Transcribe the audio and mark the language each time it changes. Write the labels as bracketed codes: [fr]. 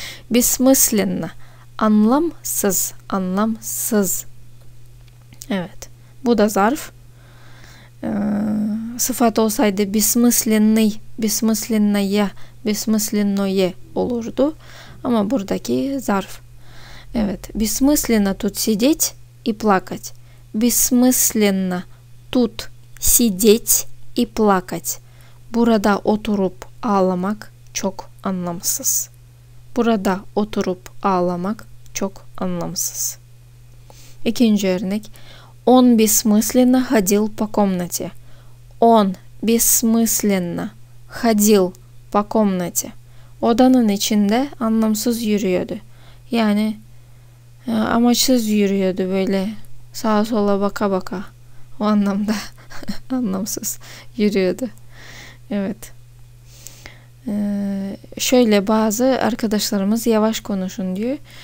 [tr] Бессмысленно. Anlamsız. Anlamsız. Evet. Bu da zarf. Sıfat olsaydı бессмысленный, бессмысленное, бессмысленное olurdu. Ama buradaki zarf. Evet. [ru] Бессмысленно тут сидеть и плакать. Бессмысленно тут сидеть и плакать. [tr] Burada oturup ağlamak çok anlamsız. Burada oturup ağlamak çok anlamsız. İkinci örnek. [ru] Он бессмысленно ходил по комнате. Он бессмысленно ходил по комнате. [tr] Odanın içinde anlamsız yürüyordu. Yani amaçsız yürüyordu böyle sağa sola baka baka. O anlamda anlamsız yürüyordu. Evet. Şöyle bazı arkadaşlarımız yavaş konuşun diyor.